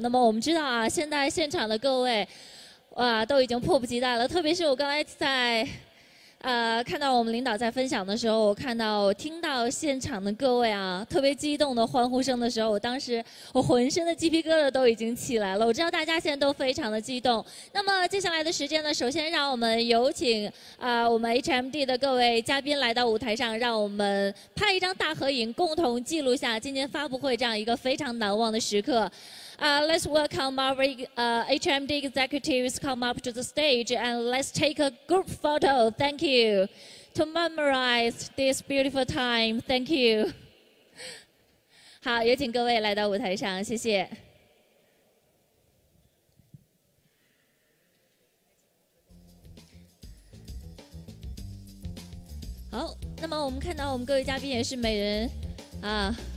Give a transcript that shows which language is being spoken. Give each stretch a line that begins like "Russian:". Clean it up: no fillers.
Chinese: 那么我们知道啊，现在现场的各位。哇，都已经迫不及待了，特别是我刚才在看到我们领导在分享的时候，我看到我听到现场的各位啊特别激动的欢呼声的时候，我当时我浑身的鸡皮疙瘩都已经起来了，我知道大家现在都非常的激动。那么接下来的时间呢，首先让我们有请我们 HMD 的各位嘉宾来到舞台上，让我们拍一张大合影，共同记录下今年发布会这样一个非常难忘的时刻。
English: Let's welcome our HMD executives come up to the stage and let's take a group photo, thank you, to memorize this beautiful time, thank you.
Chinese: 好，也请各位来到舞台上，谢谢。好，那么我们看到我们各位嘉宾也是每人啊。